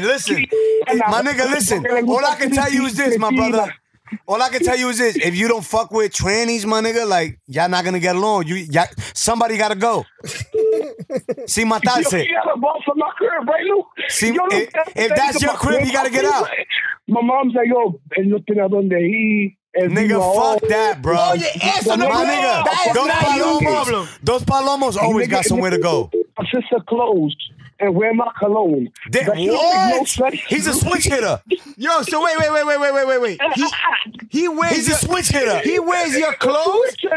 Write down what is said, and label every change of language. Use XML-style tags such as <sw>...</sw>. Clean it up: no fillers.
<en>Listen. My nigga, listen. All I can tell you is this, my brother. If you don't fuck with trannies, my nigga, like, y'all not going to get along. Somebody got to go. See, my thoughts say. You got a boss on my crib, right, Luke? See, if that's your crib, you got to get out. My mom's like, yo,</en> <es>él no tiene donde ir.</es> <en>Nigga, fuck that, bro. Oh, yeah. My nigga, those palomos always got somewhere to go. My sister closed and wear my cologne. He's a switch hitter. Yo, so wait. He wears your clothes?</en>